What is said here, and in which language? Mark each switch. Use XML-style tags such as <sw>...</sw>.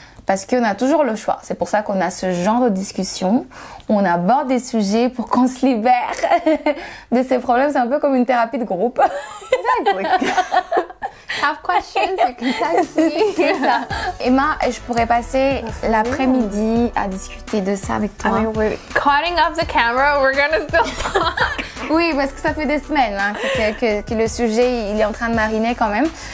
<fr>parce qu'on a toujours le choix. C'est pour ça qu'on a ce genre de discussion. On aborde des sujets pour qu'on se libère de ces problèmes. C'est un peu comme une thérapie de groupe.</fr> <en>Have questions, you can talk to me.</en> <fr>Emma, je pourrais passer l'après-midi à discuter de ça avec toi.</fr> <en>I mean, we're cutting off the camera, we're gonna still talk.</en> <fr>Oui, parce que ça fait des semaines hein, que le sujet il est en train de mariner quand même.</fr>